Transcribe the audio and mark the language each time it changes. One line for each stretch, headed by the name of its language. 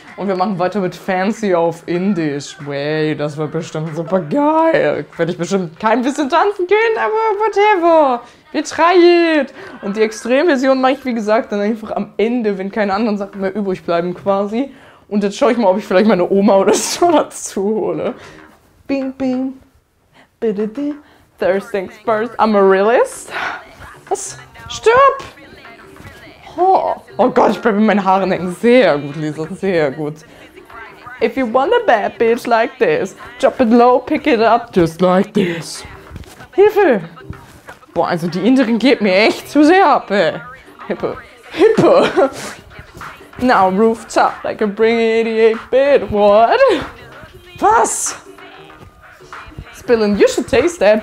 German: Und wir machen weiter mit Fancy auf Indisch. Wey, das wird bestimmt super geil. Werde ich bestimmt kein bisschen tanzen können, aber whatever. Wir
English: try it.
German: Und die Extremversion mache ich, wie gesagt, dann einfach am Ende, wenn keine anderen Sachen mehr übrig bleiben quasi. Und jetzt schaue ich mal, ob ich vielleicht meine Oma oder so dazu hole. Bing, bing. Bidididi.
English: First things first, I'm a realist.
German: Was? Stopp! Oh Gott, ich bleibe mit meinen Haaren hängen. Sehr gut, Lisa, sehr gut.
English: If you want a bad bitch like this, drop it low, pick it up, just like this.
German: Hilfe! Boah, also die Inderin geht mir echt zu sehr ab, ey. Hippe. Hippe!
English: Now rooftop, like a bring 88 bit, what?
German: Was?
English: Spillin', you should taste that.